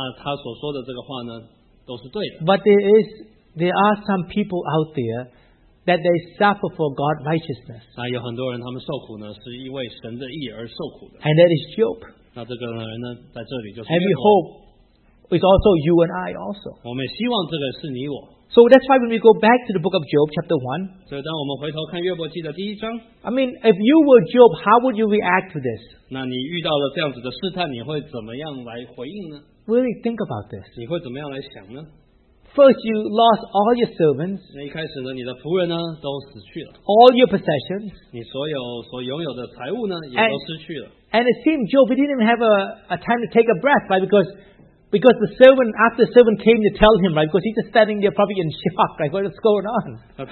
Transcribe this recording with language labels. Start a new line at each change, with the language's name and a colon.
Chinese: 你把这个跟所有其他的人所讲的，那他所说的这个话呢，都是对的。
English: But there are some people out there that they suffer for God's righteousness.
Chinese: 那有很多人他们受苦呢，是因为神的义而受苦的。
English: And that is Job.
Chinese: 那这个人呢，在这里就是。
English: And we hope it's also you and I also.
Chinese: 我们也希望这个是你我。
English: So that's why when we go back to the book of Job, chapter 1,
Chinese: 所以当我们回头看约伯记的第一章,
English: I mean, if you were Job, how would you react to this?
Chinese: 那你遇到了这样子的试探, 你会怎么样来回应呢?
English: Really think about this.
Chinese: 你会怎么样来想呢?
English: First, you lost all your servants,
Chinese: 那一开始呢, 你的仆人呢, 都死去了,
English: all your possessions,
Chinese: 你所有所拥有的财物呢, 也都失去了。
English: And it seemed Job, he didn't even have a time to take a breath, right? Because the servant, after the servant came to tell him, right, because he's just standing there probably in shock, like, what is going on?